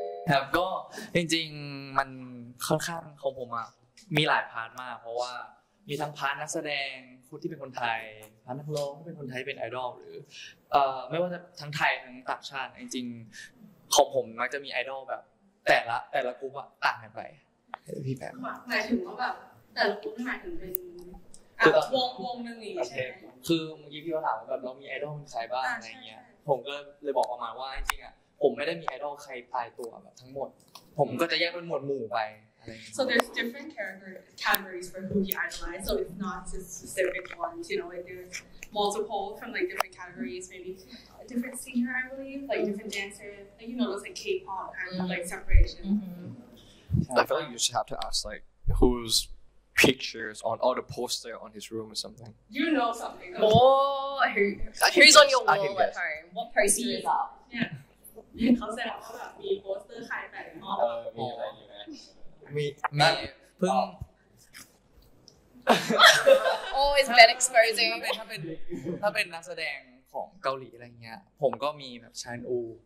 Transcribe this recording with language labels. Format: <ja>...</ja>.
<th>ครับก็จริงๆมันค่อนข้างของผมอะมีหลายพาร์ทมากเพราะว่ามีทั้งพาร์ทนักแสดงคนที่เป็นคนไทยพาร์ทนักร้องที่เป็นคนไทยเป็นไอดอลหรือไม่ว่าจะทั้งไทยทั้งต่างชาติจริงๆของผมมักจะมีไอดอลแบบแต่ละกลุ่มอะต่างกันไปพี่แป๊บ หมายถึงว่าแบบแต่ละกลุ่มหมายถึงเป็นวงนึงอีกใช่ไหม คือเมื่อกี้พี่ก็ถามว่าแบบเรามีไอดอลเป็นใครบ้างอะไรเงี้ยผมก็เลยบอกประมาณว่าจริงๆอะผมไม่ได้มีไอดอลใครตายตัวแบบทั้งหมดผมก็จะแยกเป็นหมวดหมู่ไปอะไร</th> <en>So there's different categories for who you idolize so it's not just specific ones you know like there's multiple from like different categories maybe a different singer I believe like different dancer like you know those like K-pop kind of like separation I feel like you should have to ask like who's pictures on all the poster on his room or something you know something oh who's on your wall at home what poster is up yeah.</en> <th>เ ขา แสดงว่าแบบมี โปสเตอร์ใคร แปะในห้อง มี อะไรอยู่ไหม มีเพิ่ง</th> <en>Oh it's bad exposing</en> <th>ถ้าเป็นนักแสดงของเกาหลีอะไรเงี้ยผมก็มีแบบชานอู</th>